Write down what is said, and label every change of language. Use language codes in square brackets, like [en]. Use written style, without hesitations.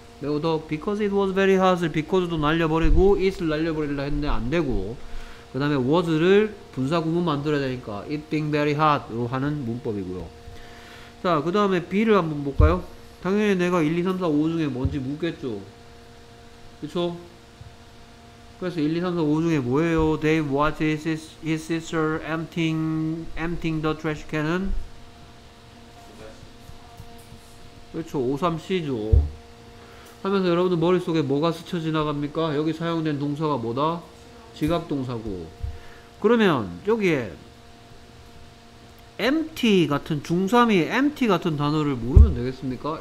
[ko] 매우 더 [en] because it was very hot [ko] 을 because도 날려버리고 it을 날려버리려 했는데 안되고 그 다음에 was를 분사구문 만들어야 되니까 [en] it being very hot [ko] 로 하는 문법이고요. 자 그 다음에 b를 한번 볼까요? 당연히 내가 1,2,3,4,5 중에 뭔지 묻겠죠. 그쵸? 그래서 1, 2, 3, 4, 5 중에 뭐예요? [en] They watch his sister emptying the trash can은? [ko] 그쵸, 5, 3C죠. 하면서 여러분들 머릿속에 뭐가 스쳐 지나갑니까? 여기 사용된 동사가 뭐다? 지각 동사고. 그러면 여기에 empty 같은 중3이 empty 같은 단어를 모르면 되겠습니까?